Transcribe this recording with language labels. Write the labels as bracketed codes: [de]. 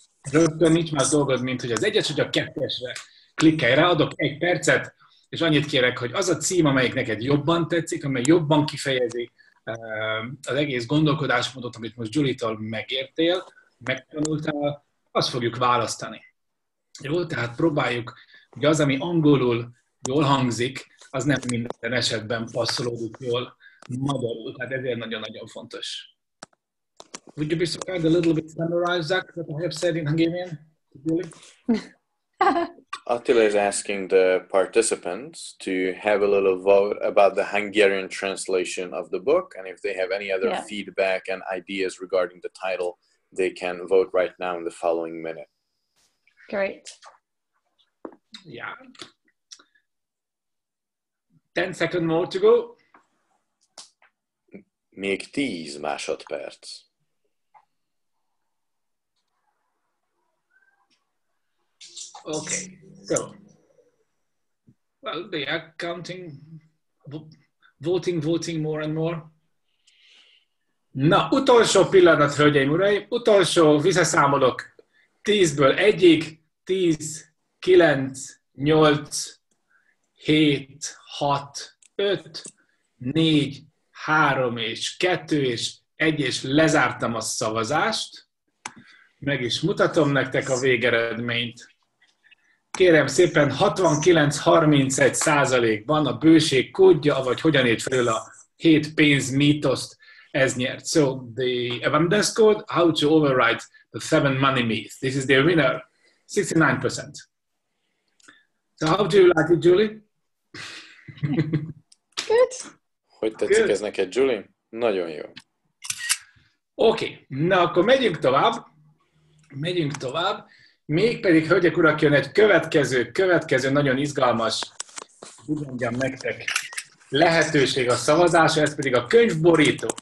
[hu] Rögtön nincs más dolgod, mint hogy az egyes vagy a kettesre klikkelj rá, adok egy percet, és annyit kérek, hogy az a cím, amelyik neked jobban tetszik, amely jobban kifejezi az egész gondolkodásmódot, amit most Julie-tól megértél, megtanultál, azt fogjuk választani. Jó, tehát próbáljuk, hogy az, ami angolul jól hangzik, az nem minden esetben passzolódik jól magyarul, tehát ezért nagyon-nagyon fontos. [en] Would you be so kind a little bit summarize that, that I have said in Hungarian, Julie? Attila is asking the participants to have a little vote about the Hungarian translation of the book, and if they have any other feedback and ideas regarding the title, they can vote right now in the following minute. Great. Yeah. 10 seconds more to go. [hu] Még 10 másodperc. [en] Okay, so, well, they are counting, voting more and more. [hu] Na, utolsó pillanat, hölgyeim, uraim, utolsó, visszaszámolok 10-ből egyig, 10, 9, 8, 7, 6, 5, 4, 3 és 2 és 1, és lezártam a szavazást, meg is mutatom nektek a végeredményt. Kérem szépen, 69-31%-ban a bőség kódja, vagy hogyan ért föl a 7 pénz mítoszt, ez nyert. [en] So, the abundance code, how to override the 7 money myth. This is the winner, 69%. So, how do you like it, Julie? Good. [hu] Hogy tetszik Good. Ez neked, Julie? Nagyon jó. Okay, na akkor megyünk tovább. Mégpedig, hölgyek, urak, jön egy következő nagyon izgalmas, úgy mondjam nektek, lehetőség a szavazása, ez pedig a könyvborító.